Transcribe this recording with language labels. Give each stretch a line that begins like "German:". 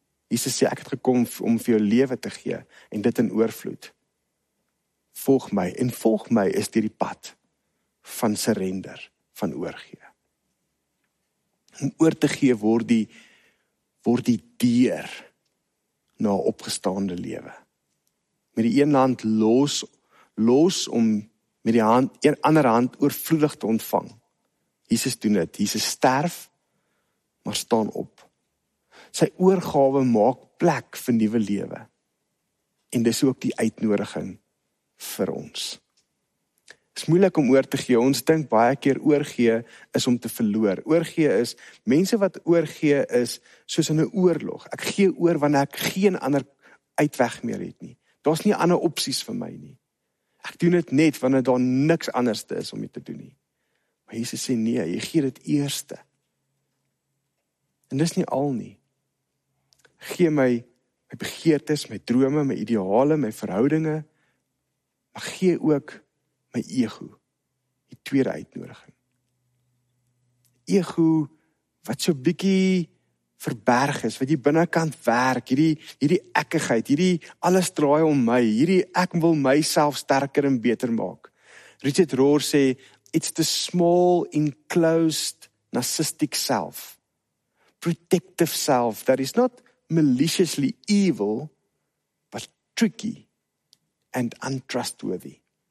Afrikaans: Jesus sê, ek het gekom om vir jou lewe te gee en dit in oorvloed. Volg my en volg my is die pad van surrender, van oorgee. Om oor te gee word die deur na opgestaande lewe. Met die een hand los om met die hand, een ander hand oorvloedig te ontvang. Jesus doen dit. Jesus sterf, maar staan op. Sy oorgawe maak plek vir nuwe lewe. En dis ook die uitnodiging vir ons. Dis moeilik om oor te gee. Ons dink baie keer oorgee is om te verloor. Oorgee is, mense wat oorgee is soos in 'n oorlog. Ek gee oor wanneer ek geen ander uitweg meer het nie. Daar's nie ander opsies vir my nie. Ek doen dit net wanneer daar niks anderste is om dit te doen nie. Maar Jesus sê nee, jy gee dit eerste. En dis nie al nie. Gee my my begeertes, my drome, my ideale, my verhoudinge, maar gee ook my ego, die tweede uitnodiging. Ego wat so bietjie verberg is, wat jy binnenkant werk, hierdie ekkigheid, hierdie alles draai om my, hierdie ek wil myself sterker en beter maak.
English: Richard Rohr sê, it's the small, enclosed, narcissistic self, protective self, that is not maliciously evil, but tricky and untrustworthy.